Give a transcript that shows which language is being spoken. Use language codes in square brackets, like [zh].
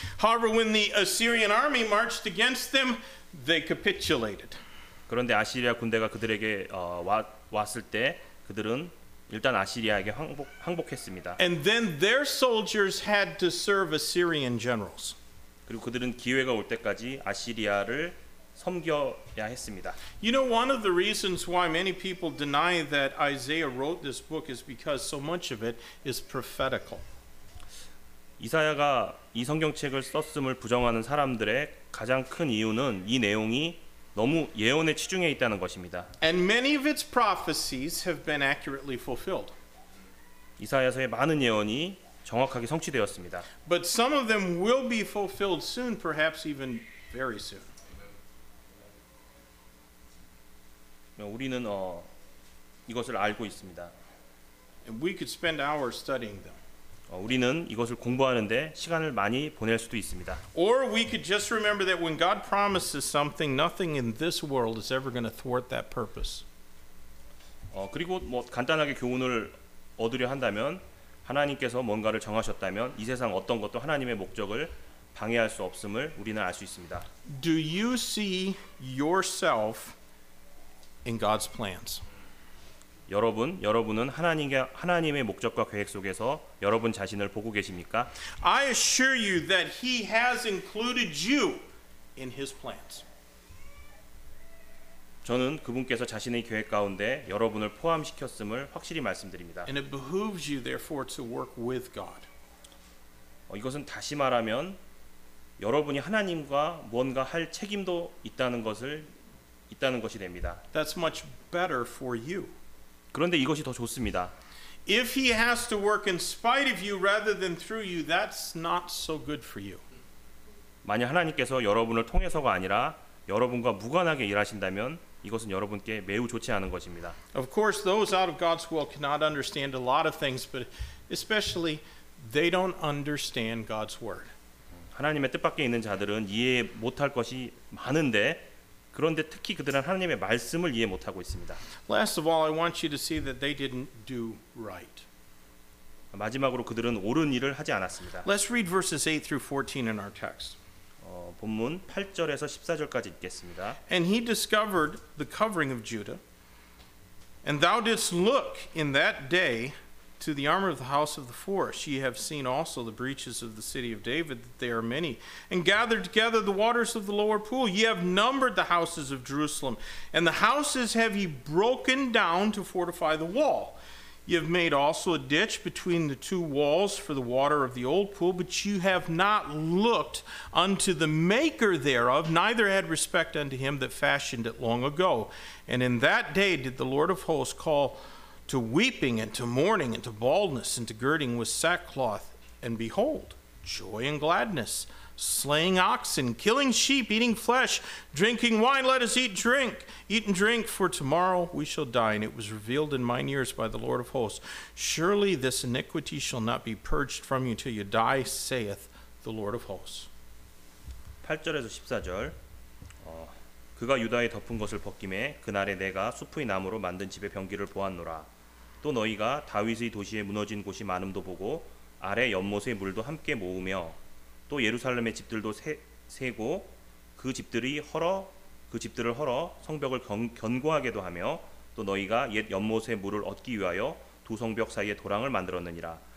[en] However, when the Assyrian army marched against them, they capitulated. [ko] 그런데 아시리아 군대가 그들에게 왔을 때 그들은 일단 아시리아에게 항복했습니다. [en] And then their soldiers had to serve Assyrian generals. [ko] 그리고 그들은 기회가 올 때까지 아시리아를 섬겨야 했습니다. [en] You know, one of the reasons why many people deny that Isaiah wrote this book is because so much of it is prophetical. [ko] 이사야가 이 성경책을 썼음을 부정하는 사람들의 가장 큰 이유는 이 내용이 너무 예언에 치중해 있다는 것입니다. [en] And many of its prophecies have been accurately fulfilled. [ko] 이사야서의 많은 예언이 정확하게 성취되었습니다. [en] But some of them will be fulfilled soon, perhaps even very soon. [ko] 우리는 이것을 알고 있습니다. [en] And we could spend hours studying them. [ko] 우리는 이것을 공부하는데 시간을 많이 보낼 수도 있습니다. [en] Or we could just remember that when God promises something, nothing in this world is ever going to thwart that purpose. [ko] 그리고 뭐 간단하게 교훈을 얻으려 한다면 하나님께서 뭔가를 정하셨다면 이 세상 어떤 것도 하나님의 목적을 방해할 수 없음을 우리는 알 수 있습니다. [en] Do you see yourself in God's plans? [ko] 여러분, 여러분은 하나님의 목적과 계획 속에서 여러분 자신을 보고 계십니까? [en] I assure you that he has included you in his plans. [ko] 저는 그분께서 자신의 계획 가운데 여러분을 포함시켰음을 확실히 말씀드립니다. [en] And it behooves you therefore to work with God. [ko] 이것은 다시 말하면 여러분이 하나님과 뭔가 할 책임도 있다는 것이 됩니다. [en] That's much better for you. [ko] 그런데 이것이 더 좋습니다. [en] If he has to work in spite of you rather than through you, that's not so good for you. [ko] 만약 하나님께서 여러분을 통해서가 아니라 여러분과 무관하게 일하신다면 이것은 여러분께 매우 좋지 않은 것입니다. [en] Of course, those out of God's will cannot understand a lot of things, but especially they don't understand God's word. [ko] 하나님의 뜻밖에 있는 자들은 이해 못할 것이 많은데 그런데 특히 그들은 하나님의 말씀을 이해 못하고 있습니다. [en] Last of all, I want you to see that they didn't do right. [ko] 마지막으로 그들은 옳은 일을 하지 않았습니다. [en] Let's read verses 8 through 14 in our text. [ko] 본문 8절에서 14절까지 읽겠습니다. [en] And he discovered the covering of Judah, and thou didst look in that day to the armor of the house of the forest. Ye have seen also the breaches of the city of David, that they are many, and gathered together the waters of the lower pool. Ye have numbered the houses of Jerusalem, and the houses have ye broken down to fortify the wall. Ye have made also a ditch between the two walls for the water of the old pool, but you have not looked unto the maker thereof, neither had respect unto him that fashioned it long ago. And in that day did the Lord of hosts call to weeping and to mourning and to baldness and to girding with sackcloth. And behold, joy and gladness, slaying oxen, killing sheep, eating flesh, drinking wine, let us eat and drink, for tomorrow we shall die. And it was revealed in mine ears by the Lord of hosts, surely this iniquity shall not be purged from you till you die, saith the Lord of hosts. [ko] 8절에서 14절 그가 유다의 덮은 것을 벗김에 그날에 내가 수풀의 나무로 만든 집의 변기를 보았노라. 또 너희가 다윗의 도시에 무너진 곳이 많음도 보고 아래 연못의 물도 함께 모으며 또 예루살렘의 집들도 세고 그 집들을 헐어 성벽을 견고하게도 하며 또 너희가 옛 연못의 물을 얻기 위하여 두 성벽 사이에 도랑을 만들었느니라.